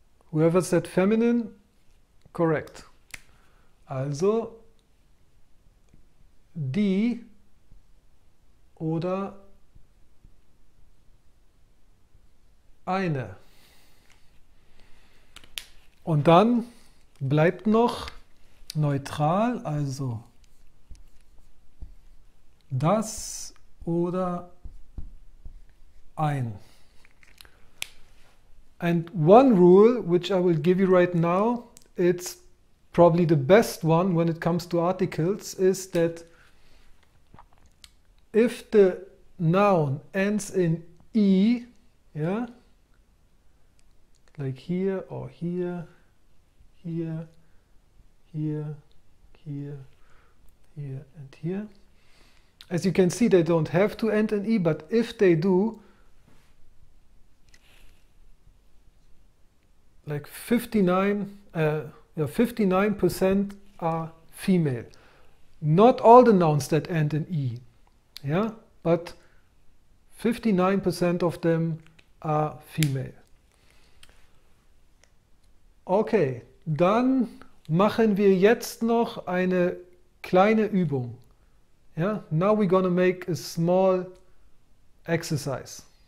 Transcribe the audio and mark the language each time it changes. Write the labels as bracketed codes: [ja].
[en] Whoever said feminine, correct. [de] Also die oder eine. Und dann bleibt noch neutral, also das oder ein. [en] And one rule, which I will give you right now, it's probably the best one when it comes to articles, is that if the noun ends in E, yeah, like here or here, here, here, here, here, and here. As you can see, they don't have to end in E, but if they do, like 59% are female. Not all the nouns that end in E. Yeah, but 59% of them are female. [de] Okay, dann machen wir jetzt noch eine kleine Übung. [en] Yeah, now we're gonna make a small exercise.